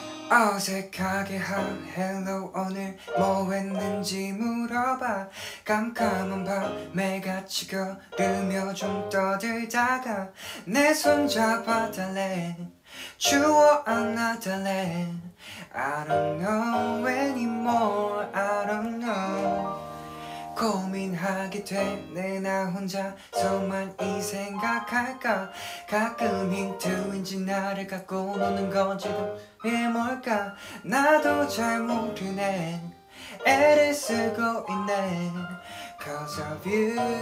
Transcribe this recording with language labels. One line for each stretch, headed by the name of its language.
Korean: 어색하게 하 헬로 오늘 뭐 했는지 물어봐. 깜깜한 밤에 같이 걸으며 좀 떠들다가 내 손 잡아달래 주워 안아달래
English: I don't know anymore, I don't know.
Korean: 고민하게 되네 나 혼자서만 이 생각할까 가끔 힌트인지 나를 갖고 노는 건지 그게 뭘까 나도 잘 모르네 애를 쓰고 있네
English: Cause of you